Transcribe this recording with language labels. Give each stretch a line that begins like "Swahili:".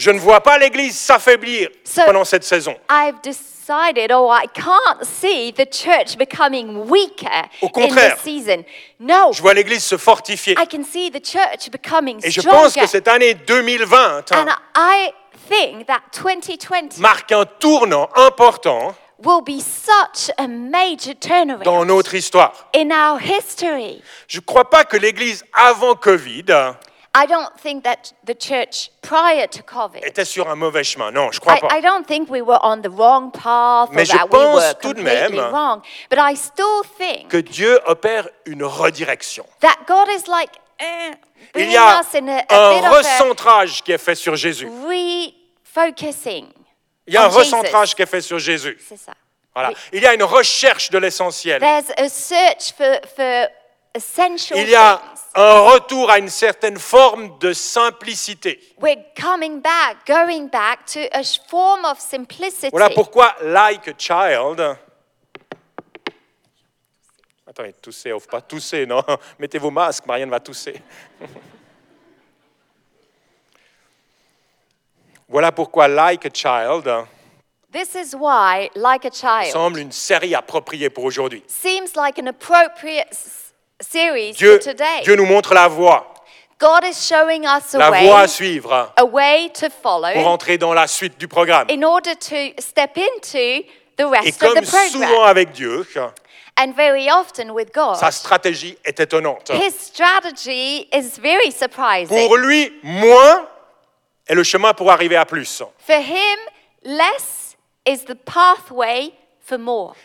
French: Je ne vois pas l'église s'affaiblir pendant cette saison.
English: I've decided, oh, I can't see the church becoming weaker in this season. No.
French: Je vois l'église se fortifier.
English: I can see the church becoming stronger.
French: Et je pense que cette année 2020,
English: and I think that 2020
French: marque un tournant important.
English: Will be such a major turnaround
French: dans notre histoire.
English: In our history.
French: Je ne crois pas que l'Église avant COVID,
English: I don't think that the church prior to COVID
French: était sur un mauvais chemin. Non, je ne crois pas.
English: I don't think we were on the wrong path.
French: Mais
English: or
French: je
English: that
French: pense
English: we were
French: tout de même
English: wrong. But I still think
French: que Dieu opère une redirection.
English: That God is like,
French: il y a un recentrage qui est fait sur Jésus.
English: Refocusing.
French: Il y a un recentrage qui est fait sur Jésus. C'est ça. Voilà. Il y a une recherche de l'essentiel.
English: There's a search for essential.
French: Il y a un retour à une certaine forme de simplicité.
English: We're coming back, going back to a form of simplicity.
French: Voilà pourquoi like a child. Attendez, toussez, ouf, pas toussez, non. Mettez vos masques, Marianne va tousser. Voilà pourquoi Like a Child,
English: this is why, like a child
French: semble une série appropriée pour aujourd'hui.
English: Seems like an appropriate series
French: Dieu,
English: for today.
French: Dieu nous montre la voie.
English: God is showing us
French: la voie à suivre.
English: A way to follow
French: pour entrer dans la suite du programme.
English: In order to step into the rest
French: et comme
English: of the program.
French: Souvent avec Dieu,
English: and very often with God,
French: sa stratégie est étonnante.
English: His strategy is very surprising.
French: Pour lui, moins et le chemin pour arriver à plus.
English: For him, less is the pathway for more.